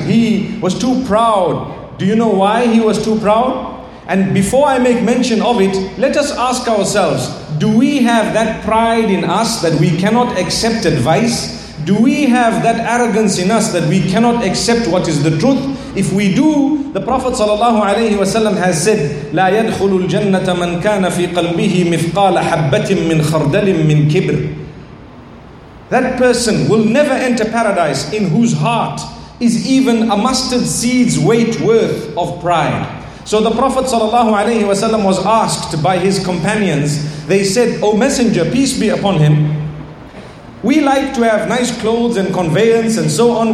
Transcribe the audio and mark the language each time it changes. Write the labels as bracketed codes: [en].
[en] He was too proud. Do you know why he was too proud? And before I make mention of it, let us ask ourselves, do we have that pride in us that we cannot accept advice? Do we have that arrogance in us that we cannot accept what is the truth? [ar] If we do, the Prophet sallallahu alaihi wasallam has said, لَا يَدْخُلُ الْجَنَّةَ مَنْ كَانَ فِي قَلْبِهِ مِفْقَالَ حَبَّةٍ مِّنْ خَرْدَلٍ مِّنْ كِبْرٍ. [en] That person will never enter paradise in whose heart is even a mustard seed's weight worth of pride. So the Prophet sallallahu alaihi wasallam was asked by his companions. They said, O Messenger, peace be upon him, we like to have nice clothes and conveyance and so on.